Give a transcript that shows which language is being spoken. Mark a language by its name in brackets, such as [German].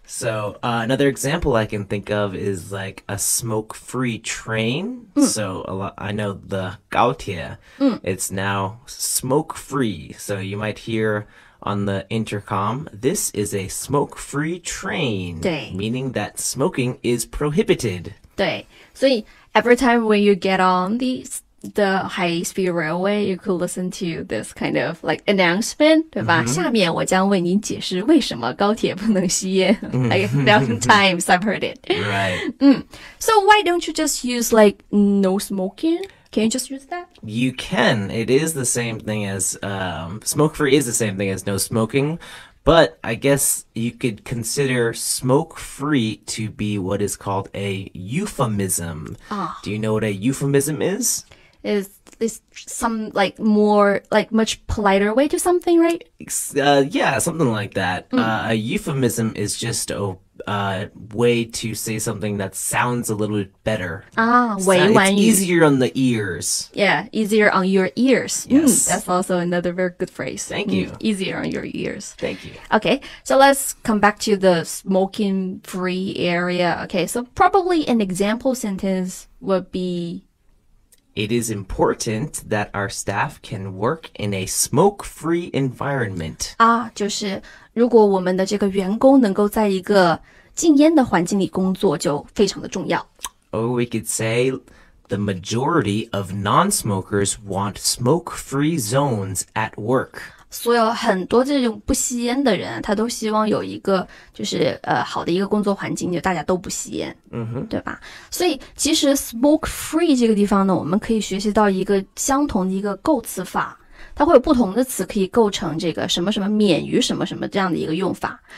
[English] So another example I can think of is like a smoke-free train So I know the 高铁 It's now smoke-free So you might hearOn the intercom, this is a smoke-free train, meaning that smoking is prohibited. [Chinese] 对，所以 [English] every time when you get on the high-speed railway, you could listen to this kind of like announcement, [Chinese] 对吧？下面我将为您解释为什么高铁不能吸烟。 [English] Like a thousand times I've heard it. Right. So why don't you just use like no smoking? Can you just use that? You can. It is the same thing as, smoke-free is the same thing as no smoking, but I guess you could consider smoke-free to be what is called a euphemism. Do you know what a euphemism is? It's some, like, more, like, much politer way to something, right? Yeah, something like that. A euphemism is just a way to say something that sounds a little bit better. It's easier on the ears. Yeah, easier on your ears. Yes. That's also another very good phrase. Thank you. Easier on your ears. Thank you. Okay, so let's come back to the smoking-free area. Okay, so probably an example sentence would be... It is important that our staff can work in a smoke-free environment. [Chinese] 啊，就是如果我们的这个员工能够在一个禁烟的环境里工作，就非常的重要。 [English] Or we could say the majority of non-smokers want smoke-free zones at work. [Chinese] 所有很多这种不吸烟的人，他都希望有一个就是好的一个工作环境，就大家都不吸烟。对吧？所以其实 smoke free 这个地方呢，我们可以学习到一个相同的一个构词法，它会有不同的词可以构成这个什么什么免于什么什么这样的一个用法。